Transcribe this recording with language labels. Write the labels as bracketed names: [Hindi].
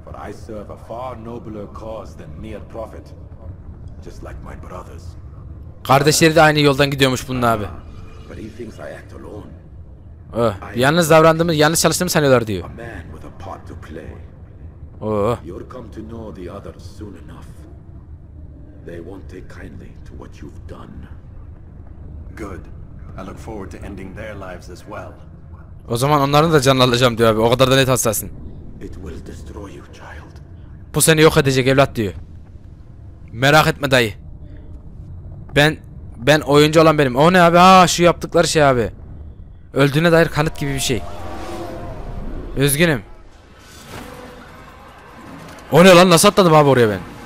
[English] I serve a far nobler cause than mere profit, just like my brothers. [Turkish] Kardeşleri de aynı yoldan gidiyormuş bunun abi. [English] But he thinks I act alone. [Turkish] Yalnız davrandığımı, yanlış çalıştığımı sanıyorlar diyor. [English] A man with a part to play. You'll come to know the others soon enough. They won't take kindly to what you've done. Good. I look forward to ending their lives as well. [Turkish] O zaman onların da canını alacağım diyor abi. O kadar da net hassasın. [English] It will destroy you, child. [Turkish] Bu seni yok edecek evlat diyor. Merak etme dayı. Ben oyuncu olan benim. O ne abi? Aa şu yaptıkları şey abi. Öldüğüne dair kanıt gibi bir şey. Üzgünüm. O ne lan? Nasıl atladım abi oraya ben?